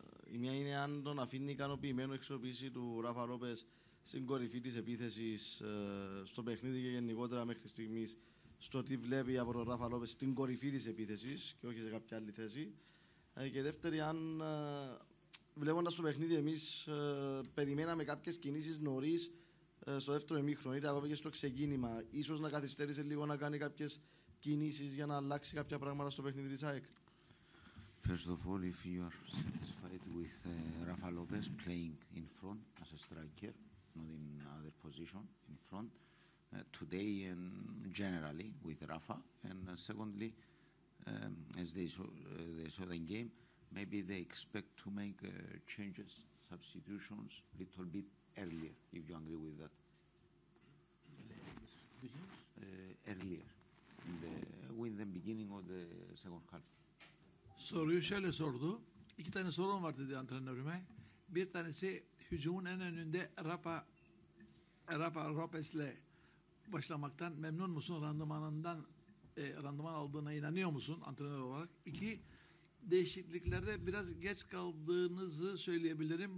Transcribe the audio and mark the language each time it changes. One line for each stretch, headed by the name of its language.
Greek: Η μία είναι αν τον αφήνει ικανοποιημένο εξοπλίσει του Ράφα Ρόπες στην κορυφή της επίθεσης στο παιχνίδι και γενικότερα μέχρι στιγμής στο τι βλέπει από τον Ράφα Ρόπες στην κορυφή της επίθεσης και όχι σε κάποια άλλη θέση. Και δεύτερη, αν βλέποντας το παιχνίδι εμείς περιμέναμε κάποιες κινήσεις νωρίς στο δεύτερο ημίχρονο, είτε ακόμα και στο ξεκίνημα, ίσως να καθυστέρησε λίγο να κάνει κάποιες κινήσεις για να αλλάξει κάποια πράγματα στο παιχνίδι της ΑΕΚ.
English: First of all, if you are satisfied with Rafa Lopez playing in front as a striker, not in other position, in front, today and generally with Rafa. And secondly, as they saw the game, maybe they expect to make changes, substitutions, a little bit earlier, if you agree with that. Earlier, with the beginning of the second half.
Turkish: Soruyu şöyle sordu. İki tane sorun var dedi antrenörüme. Bir tanesi hücumun en önünde Rapa Ropes'le başlamaktan memnun musun? Randımanından randıman aldığına inanıyor musun antrenör olarak? İki, değişikliklerde biraz geç kaldığınızı söyleyebilirim.